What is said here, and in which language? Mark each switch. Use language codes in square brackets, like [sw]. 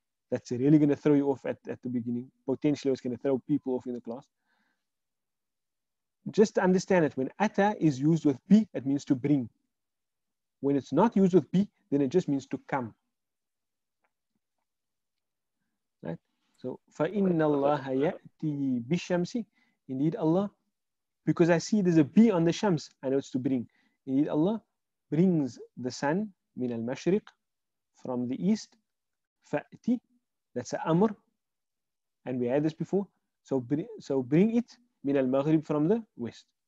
[en] That's really going to throw you off at the beginning. Potentially, it's going to throw people off in the class. Just to understand it, when ata is used with bi, it means to bring. When it's not used with bi, then it just means to come. Right? [ar] So, فَإِنَّ اللَّهَ يَأْتِي بِالشَّمْسِ. [en] Indeed, Allah, because I see there's a bi on the shams, I know it's to bring. Indeed, Allah brings the sun, min al-mashriq, from the east, fa'ti, that's an amr, and we had this before, so bring it, min al-maghrib, from the west.